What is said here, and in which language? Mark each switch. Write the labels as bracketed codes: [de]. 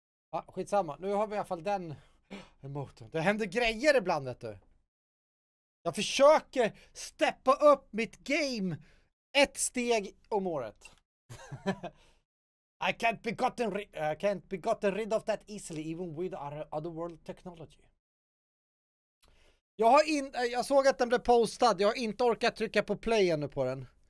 [sv] Ah, skitsamma. Nu har vi i alla fall den emoten. Det händer grejer ibland, vet du. Jag försöker steppa upp mitt game ett steg om året. [en] I can't be gotten rid of that easily, even with other world technology. [sv] Jag såg att den blev postad. Jag har inte orkat trycka på play ännu på den.